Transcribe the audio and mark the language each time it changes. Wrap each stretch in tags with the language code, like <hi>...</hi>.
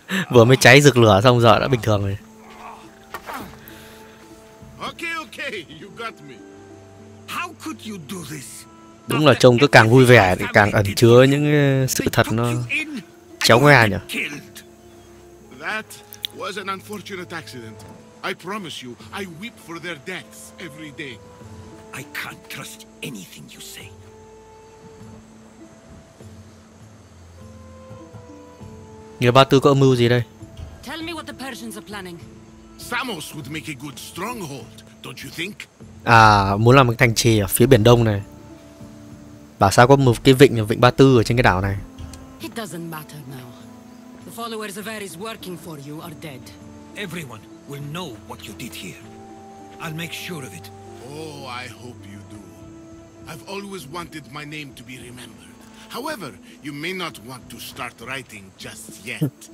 <vi>Vừa mới cháy rực lửa xong giờ đã bình thường rồi.</vi> <en>Okay, you got me. How could you do this?</en> <vi>Đúng là trông cứ càng vui vẻ thì càng ẩn chứa những sự thật nó chéo ngoe nhỉ.</vi> <en>That was an unfortunate accident. I promise you, I weep for their deaths every day. I can't trust anything you say.</en> <vi>Người Ba Tư có âm mưu gì đây?</vi> <en>Tell me what the Persians are planning. Samos would make a good stronghold, don't you think?</en> <vi>À, muốn làm một thành trì ở phía biển đông này. Bảo sao có một cái vịnh Ba Tư ở trên cái đảo này.</vi> <en>It doesn't matter now. The followers of Ares working for you are dead. Everyone will know what you did here. I'll make sure of it. Oh, I hope you do. I've always wanted my name to be remembered. However, you may not want to start writing just yet.</en>